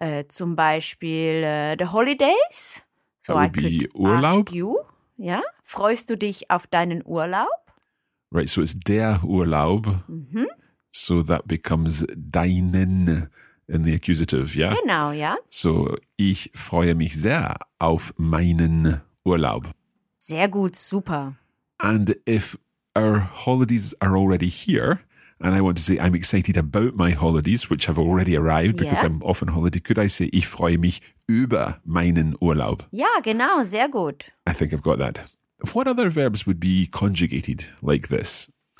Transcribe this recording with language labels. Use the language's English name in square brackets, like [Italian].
[German] Zum Beispiel [English] the holidays. So that would Urlaub. Ask you, yeah? [German] Freust du dich auf deinen Urlaub? [English] Right, so it's der Urlaub, so that becomes deinen in the accusative, yeah? [German] Genau, yeah. So, ich freue mich sehr auf meinen Urlaub. Sehr gut, super. [English] And if our holidays are already here, and I want to say I'm excited about my holidays, which have already arrived, because I'm off on holiday, could I say [German] ich freue mich über meinen Urlaub? Ja, genau, sehr gut. [English] I think I've got that. What other verbs would be conjugated like this?